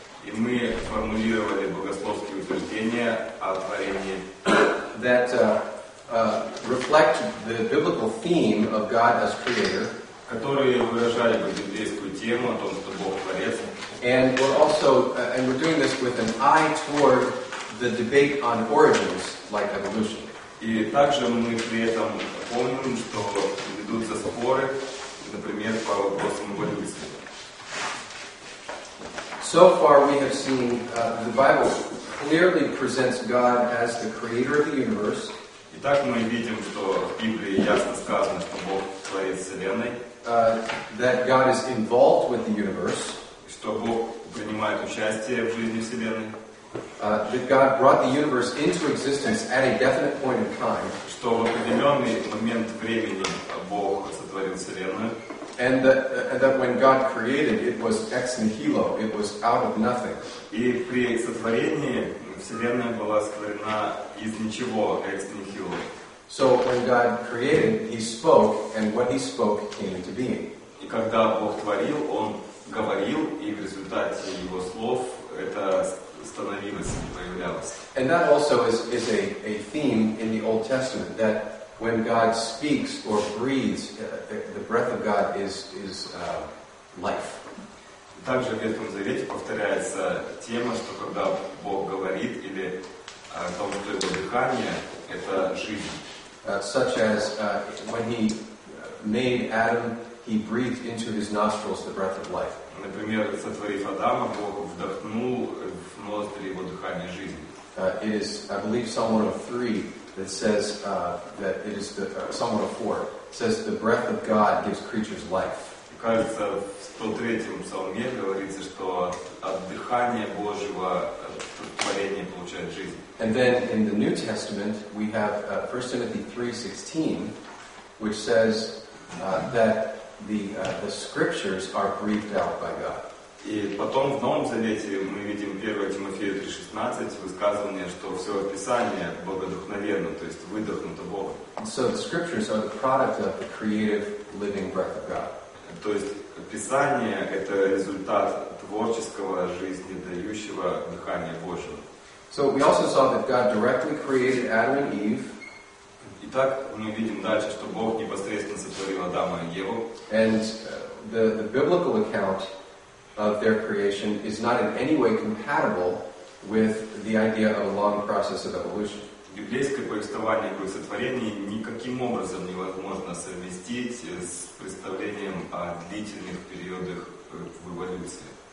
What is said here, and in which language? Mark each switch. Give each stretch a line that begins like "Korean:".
Russian: И мы формулировали богословские утверждения о творении.
English: That reflect the biblical theme of God as creator,
Russian: которые выражали бы библейскую тему о том, что Бог творец.
English: And we're also, and we're doing this with an eye toward the debate on origins, like evolution.
Russian: И также мы при этом помним, что ведутся споры, например, по вопросам эволюции.
English: So far, we have seen the Bible clearly presents God as the creator of the universe.
Russian: Итак, мы видим, что в Библии ясно сказано, что Бог творит Вселенной.
English: That God is involved with the universe.
Russian: Что Бог принимает участие в жизни Вселенной.
English: That God brought the universe into existence at a definite point in time.
Russian: Что в определенный момент времени Бог сотворил Вселенную.
English: And that when God created, it was ex nihilo, it was out of nothing.
Russian: И при сотворении Вселенная была сотворена из ничего, ex nihilo.
English: So when God created, He spoke, and what He spoke came into being.
Russian: И когда Бог творил, Он говорил, и в результате Его слов это становилось, появлялось.
English: And that also is a theme in the Old Testament, that when God speaks or breathes, the breath of God is life.
Russian: Также в Ветхом Завете повторяется тема, что когда Бог говорит или о том, что его дыхание, это жизнь.
English: Such as when He made Adam, He breathed into his nostrils the breath of life.
Russian: Например, сотворив Адама, Бог вдохнул в ноздри его дыхание жизни.
English: It is, I believe, Psalm 103 that says that it is the Psalm 104 says the breath of God gives creatures life.
Russian: Кажется, в 103-м псалме говорится, что от дыхания Божьего творение получает жизнь.
English: And then in the New Testament we have 1 Timothy 3:16, which says that the Scriptures are breathed out by God.
Russian: И потом в Новом Завете мы видим 1 Тимофею 3:16 высказывание, что все Писание богодухновенно, то есть выдохнуто Богом.
English: So the Scriptures are the product of the creative living breath of God.
Russian: То есть Писание — это результат творческого жизнедающего дыхания Божьего.
English: So we also saw that God directly created Adam and Eve.
Russian: Итак, мы видим дальше, что Бог непосредственно сотворил Адама и Еву.
English: And the biblical account of their creation is not in any way compatible with the idea of a long process of evolution.
Russian: Библейское повествование о сотворении никаким образом невозможно совместить с представлением о длительных периодах в эволюции.